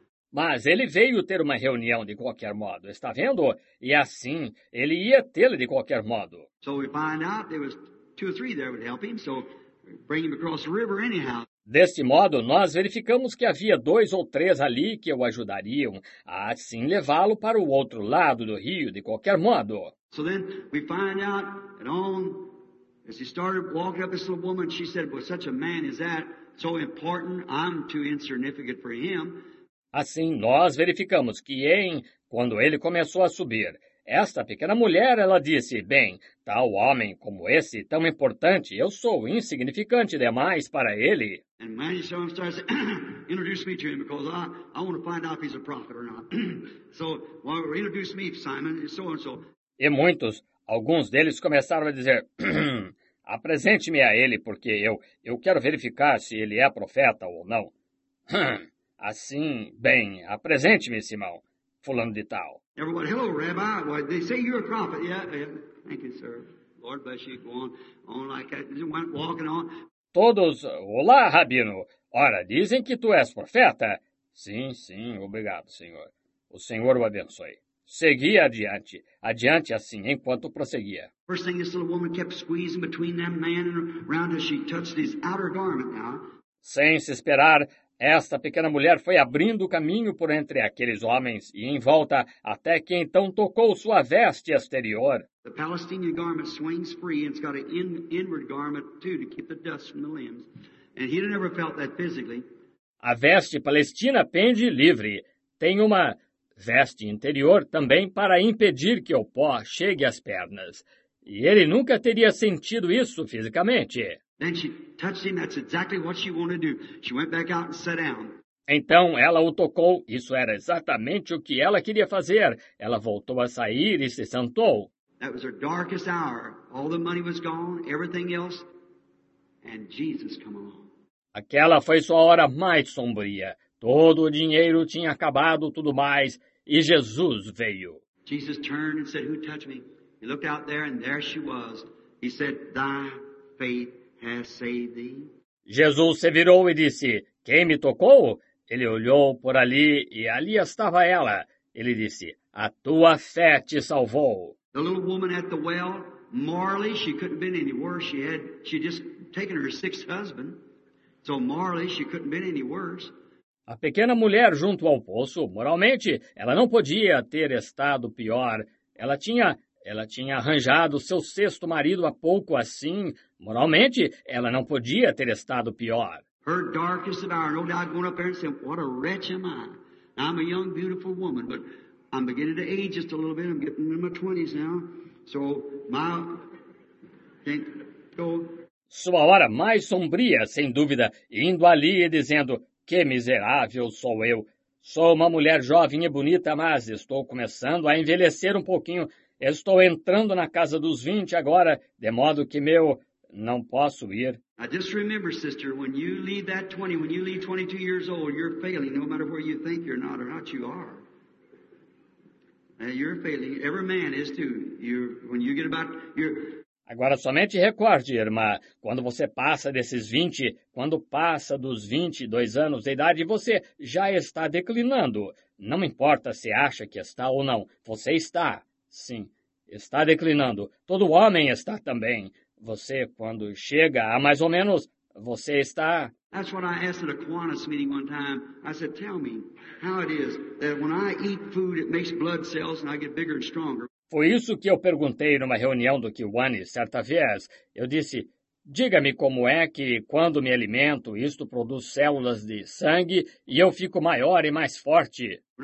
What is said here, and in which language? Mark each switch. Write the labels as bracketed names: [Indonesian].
[Portuguese] Mas ele veio ter uma reunião de qualquer modo, está vendo? E assim, ele ia tê-la de qualquer modo. [English] So we find out there was two or three there would help him, so bring him across the river anyhow. [Portuguese] Deste modo, nós verificamos que havia dois ou três ali que o ajudariam a assim levá-lo para o outro lado do rio, de qualquer modo. [English] So then we find out that on, as he started walking up this little woman, she said, well, such a man is that so important, I'm too insignificant for him. [Portuguese] Assim, nós verificamos que quando ele começou a subir, esta pequena mulher, ela disse, bem, tal homem como esse, tão importante, eu sou insignificante demais para ele. [English] And when he starts to introduce me to him, because I want to find out if he's a prophet or not. So, well, introduce me, Simon, so-and-so. [Portuguese] E muitos, alguns deles começaram a dizer, apresente-me a ele, porque eu quero verificar se ele é profeta ou não. Assim, bem, apresente-me, Simão, fulano de tal. [English] Everyone, hello, Rabbi. Well, they say you're a prophet. Yeah, thank you, sir. Lord bless you, go on like that, and went walking on. [Portuguese] Todos, olá, Rabino. Ora, dizem que tu és profeta. Sim, sim, obrigado, Senhor. O Senhor o abençoe. Segui adiante, adiante assim, enquanto prosseguia. [English] First thing, this little woman kept squeezing between that man and around her. She touched his outer garment now. [Portuguese] Sem se esperar, esta pequena mulher foi abrindo o caminho por entre aqueles homens e em volta, até que então tocou sua veste exterior. [English] The Palestinian garment swings free and it's got an inward garment too to keep the dust from the limbs. And he'd never felt that physically. [Portuguese] A veste palestina pende livre. Tem uma veste interior também para impedir que o pó chegue às pernas. E ele nunca teria sentido isso fisicamente. [English] Then she touched him. That's exactly what she wanted to do. She went back out and sat down. [Portuguese] Então ela o tocou. Isso era exatamente o que ela queria fazer. Ela voltou a sair e se sentou. [English] That was her darkest hour. All the money was gone. Everything else. And Jesus came along. [Portuguese] Aquela foi sua hora mais sombria. Todo o dinheiro tinha acabado, tudo mais, e Jesus veio. [English] Jesus turned and said, "Who touched me?" He looked out there, and there she was. He said, "Thy faith has saved thee." [Portuguese] Jesus se virou e disse, "Quem me tocou?" Ele olhou por ali e ali estava ela. Ele disse, "A tua fé te salvou." [English] The little woman at the well, morally, she couldn't have been any worse. She just taken her sixth husband. So morally, she couldn't have been any worse. [Portuguese] A pequena mulher junto ao poço, moralmente, ela não podia ter estado pior. Ela tinha arranjado seu sexto marido há pouco assim. Moralmente, ela não podia ter estado pior. [English] Her darkest hour, no doubt going up there and saying, "What a wretch am I? I'm a young, beautiful woman, but I'm beginning to age just a little bit. I'm getting in my 20s now. So my can't go." [Portuguese] Sua hora mais sombria, sem dúvida, indo ali e dizendo, "Que miserável sou eu. Sou uma mulher jovem e bonita, mas estou começando a envelhecer um pouquinho. Estou entrando na casa dos 20 agora, de modo que meu, não posso ir." [English] I just remember, sister, when you leave that 20, when you leave 22 years old, you're failing, no matter where you think you're not or not you are. You're failing. Every man is too. When you get about, you're... [Portuguese] Agora somente recorde, irmã, quando você passa desses 20, quando passa dos 22 anos de idade, você já está declinando. Não importa se acha que está ou não, você está, sim, está declinando. Todo homem está também. Você, quando chega a mais ou menos, você está... [English] That's what I asked at a Kiwanis meeting one time. I said, "Tell me how it is that when I eat food, it makes blood cells and I get bigger and stronger." [Portuguese] Foi isso que eu perguntei numa reunião do Kiwanis certa vez. Eu disse, "Diga-me como é que, quando me alimento, isto produz células de sangue e eu fico maior e mais forte."